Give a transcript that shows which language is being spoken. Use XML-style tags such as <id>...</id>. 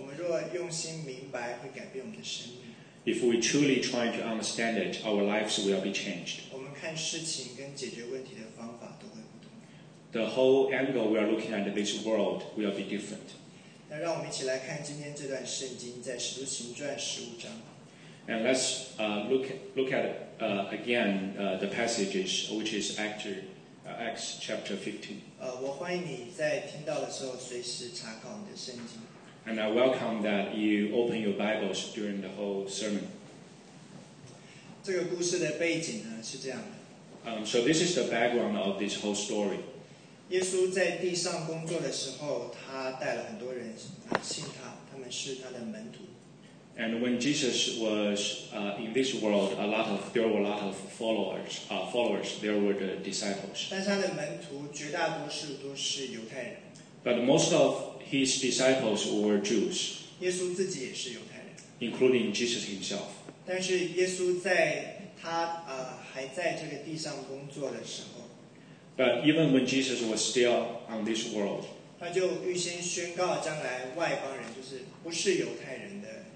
<zh>若用心明白，会改变我们的生命。</zh> <en>If we truly try to understand it, our lives will be changed.</en> <zh>我们看事情跟解决问题的方法都会不同。</zh> <en>The whole angle we are looking at this world will be different.</en> <zh>那让我们一起来看今天这段圣经，在使徒行传十五章。</zh> <en>And let's look at the passages, which is Acts chapter 15.</en> <zh>我欢迎你在听到的时候随时查考你的圣经。</zh> <en>And I welcome that you open your Bibles during the whole sermon.</en> <zh>这个故事的背景呢是这样的。</zh> <en>So this is the background of this whole story.</en> <zh>耶稣在地上工作的时候，他带了很多人信他，他们是他的门徒。</zh> <en>And when Jesus was in this world, there were a lot of followers. There were the disciples.</en> <zh>但是他的门徒绝大多数都是犹太人。</zh> <en>But most of his disciples were Jews.</en> <zh>耶稣自己也是犹太人。</zh> <en>Including Jesus himself.</en> <zh>但是耶稣在他还在这个地上工作的时候。</zh> <en>But even when Jesus was still on this world.</en> <zh>他就预先宣告将来外邦人就是不是犹太人的。</zh>